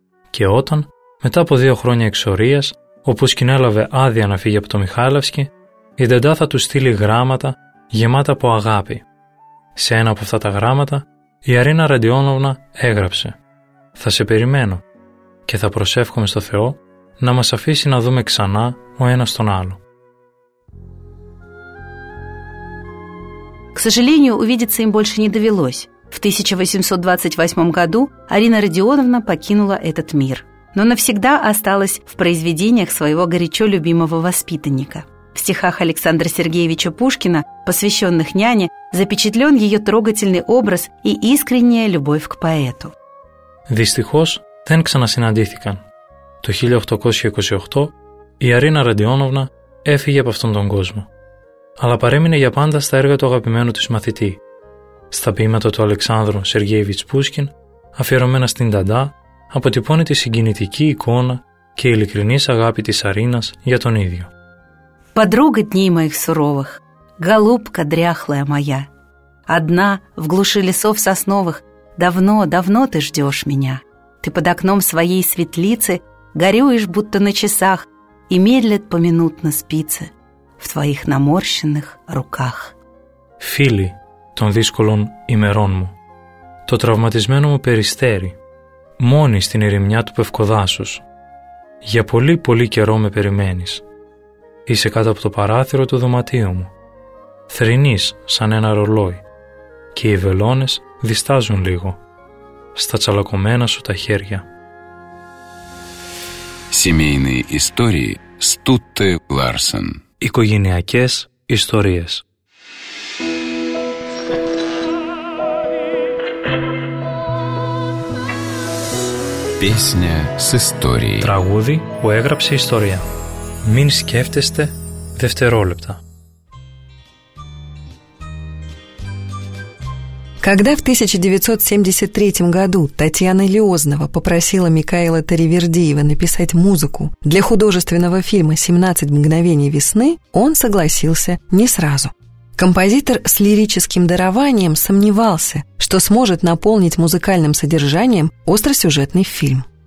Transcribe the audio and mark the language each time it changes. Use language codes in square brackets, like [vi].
[el] Και όταν, μετά από 2 χρόνια εξορίας, όπου σκηνέλαβε άδεια να φύγει από το Μιχάηλαυσκι, η Νταντά θα του στείλει γράμματα γεμάτα από αγάπη. Σε ένα από αυτά τα γράμματα, η Αρίνα Ραντιόνοβνα έγραψε: «Θα σε περιμένω. Και θα προσεύχομαι στο Θεό να μας αφήσει να δούμε ξανά ο ένας τον άλλο». [ru] К сожалению, увидеться им больше не довелось. В 1828 году Арина Родионовна покинула этот мир, но навсегда осталась в произведениях своего горячо любимого воспитанника. В стихах Александра Сергеевича Пушкина, посвященных няне, запечатлен ее трогательный образ и искренняя любовь к поэту. [el] Дистихос δεν ξανασυναντήθηκαν. Το 1828 η Αρίνα Ραντιόνοβνα έφυγε από αυτόν τον κόσμο. Αλλά παρέμεινε για πάντα στα έργα του αγαπημένου της μαθητή. Στα ποίηματα του Αλεξάνδρου Σεργέεβιτς Πούσκιν, αφιερωμένα στην Νταντά, αποτυπώνει τη συγκινητική εικόνα και η ειλικρινής αγάπη της Αρίνας για τον ίδιο. [ru] «Подруга дней моих суровых, голубка дряхлая моя, одна в глуши лесов сосновых, давно, давно ты ждешь меня. Ты под окном своей светлицы горюешь, будто на часах, и медлят поминутно спицы в твоих наморщенных руках». [el] Φίλη των δύσκολων ημερών μου, το τραυματισμένο μου περιστέρι, μόνη στην ερημιά του πευκοδάσους, για πολύ πολύ καιρό με περιμένεις. Είσαι κάτω από το παράθυρο του δωματίου μου, θρηνείς σαν ένα ρολόι και οι βελόνες διστάζουν λίγο στα τσαλακωμένα σου τα χέρια. [ru] Семейные истории Стутте Ларсен. [el] Οικογενειακές ιστορίες. [ru] Песня с историей. [el] Τραγούδι που έγραψε ιστορία. Μην σκέφτεστε δευτερόλεπτα. [ru] Когда в 1973 году Татьяна Лиознова попросила Микаэла Таривердиева написать музыку для художественного фильма «17 мгновений весны», он согласился не сразу. Композитор с лирическим дарованием сомневался, что сможет наполнить музыкальным содержанием остросюжетный фильм.